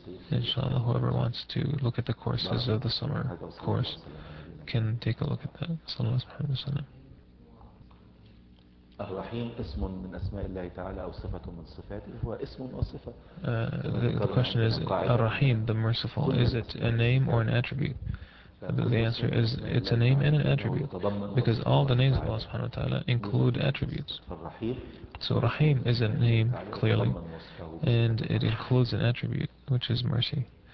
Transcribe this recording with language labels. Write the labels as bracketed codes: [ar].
[en] Inshallah, whoever wants to look at the courses of the summer course can take a look at that. [ar] Sallallahu alayhi wa sallam. الرحيم اسم من أسماء الله تعالى أو صفة من صفاته هو اسم أو صفة. [en] The question is, الرحيم, the merciful, is it a name or an attribute? The answer is, it's a name and an attribute, because all the names of Allah subhanahu wa ta'ala include attributes. So Rahim is a name, clearly, and it includes an attribute, which is mercy.